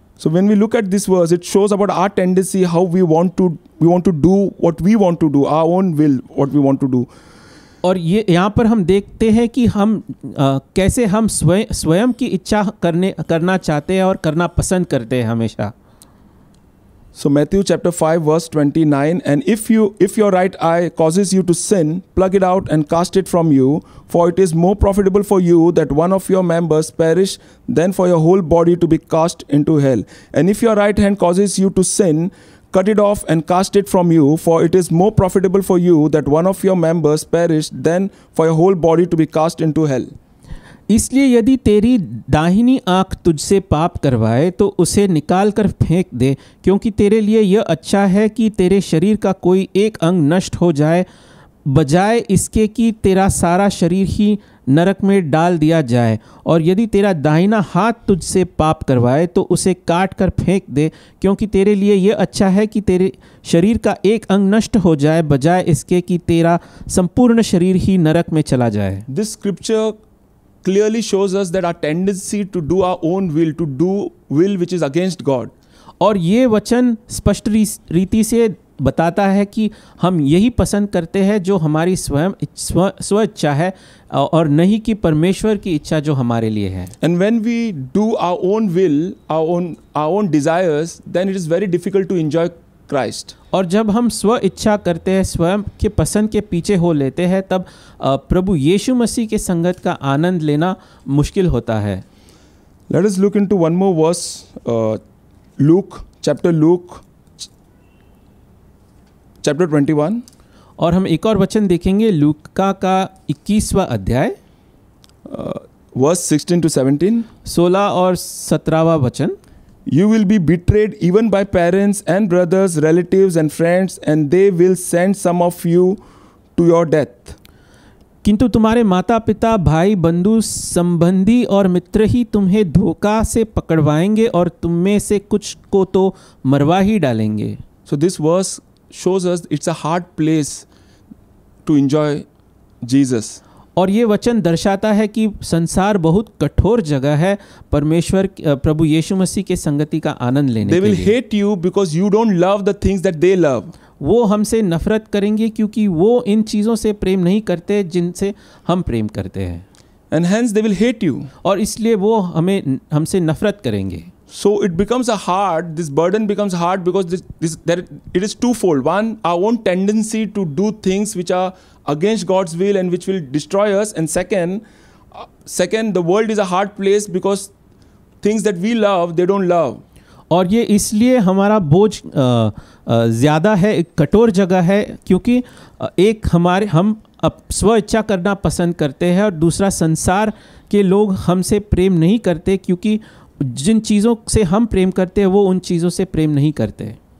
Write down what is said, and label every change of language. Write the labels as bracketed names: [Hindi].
[English] So when we look at this verse, it shows about our tendency, how we want to do what we want to do, our own will, what we want to do. [Hindi] और ये यहाँ पर हम देखते हैं कि हम कैसे हम स्वयं की इच्छा करना चाहते हैं और करना पसंद करते हैं हमेशा. [English] So Matthew chapter 5 verse 29, and if your right eye causes you to sin, pluck it out and cast it from you, for it is more profitable for you that one of your members perish than for your whole body to be cast into hell. And if your right hand causes you to sin, cut it off and cast it from you, for it is more profitable for you that one of your members perish than for your whole body to be cast into hell. [Hindi] इसलिए यदि तेरी दाहिनी आँख तुझसे पाप करवाए तो उसे निकाल कर फेंक दे, क्योंकि तेरे लिए यह अच्छा है कि तेरे शरीर का कोई एक अंग नष्ट हो जाए बजाय इसके कि तेरा सारा शरीर ही नरक में डाल दिया जाए. और यदि तेरा दाहिना हाथ तुझसे पाप करवाए तो उसे काट कर फेंक दे, क्योंकि तेरे लिए यह अच्छा है कि तेरे शरीर का एक अंग नष्ट हो जाए बजाय इसके कि तेरा संपूर्ण शरीर ही नरक में चला जाए. [English] This scripture clearly shows us that our tendency to do our own will, to do will which is against God. [Hindi] और ये वचन स्पष्ट रीति से बताता है कि हम यही पसंद करते हैं जो हमारी स्वेच्छा है और नहीं कि परमेश्वर की इच्छा जो हमारे लिए है. [English] And when we do our own will, our own desires, then it is very difficult to enjoy Christ. [Hindi] और जब हम स्व इच्छा करते हैं स्वयं के पसंद के पीछे हो लेते हैं तब प्रभु यीशु मसीह के संगत का आनंद लेना मुश्किल होता है. [English] Let us look into one more verse, Luke chapter 21. [Hindi] और हम एक और वचन देखेंगे लूका का 21वां अध्याय [English] verse 16 to 17, [Hindi] 16 और 17वां वचन. [English] You will be betrayed even by parents and brothers, relatives and friends, and they will send some of you to your death. [Hindi] किंतु तुम्हारे माता पिता भाई बंधु संबंधी और मित्र ही तुम्हें धोखा से पकड़वाएंगे और तुम में से कुछ को तो मरवा ही डालेंगे. [English] So this verse shows us it's a hard place to enjoy Jesus. [Hindi] और ये वचन दर्शाता है कि संसार बहुत कठोर जगह है परमेश्वर प्रभु यीशु मसीह के संगति का आनंद लेने के लिए. [English] They will hate you because you don't love the things that they love. [Hindi] वो हमसे नफरत करेंगे क्योंकि वो इन चीज़ों से प्रेम नहीं करते जिनसे हम प्रेम करते हैं. [English] And hence they will hate you. [Hindi] और इसलिए वो हमें हमसे नफरत करेंगे. [English] So it becomes a hard, this burden becomes hard because it is twofold. One, our own tendency to do things which are against God's will and which will destroy us. And second, the world is a hard place because things that we love, they don't love. [Hindi] और ये इसलिए हमारा बोझ ज़्यादा है, एक कठोर जगह है, क्योंकि एक हमारे हम स्व इच्छा करना पसंद करते हैं और दूसरा संसार के लोग हमसे प्रेम नहीं करते, क्योंकि जिन चीज़ों से हम प्रेम करते हैं वो उन चीज़ों से प्रेम नहीं करते.